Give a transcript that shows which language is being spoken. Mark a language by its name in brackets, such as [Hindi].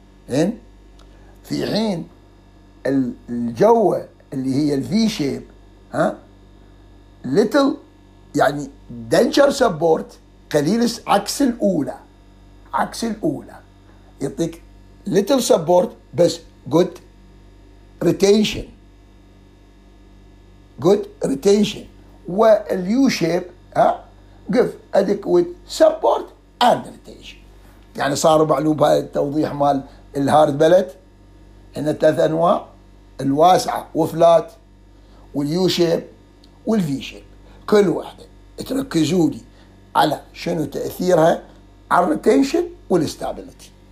[Arabic] إن في حين الجوة اللي هي الفي شيب ها ليتل يعني دنشر سبورت قليل عكس الأولى عكس الأولى يعطيك [English] little support [Arabic] بس [English] good retention good retention. واليو shape give adequate support and retention. [Arabic] يعني صاروا معلوم هذا التوضيح مال الهارد بلت إن الثلاث أنواع الواسعة وفلات واليو شيب والفي شيب كل واحدة تركزوا لي على شنو تأثيرها على الريتينشن والاستابلتي.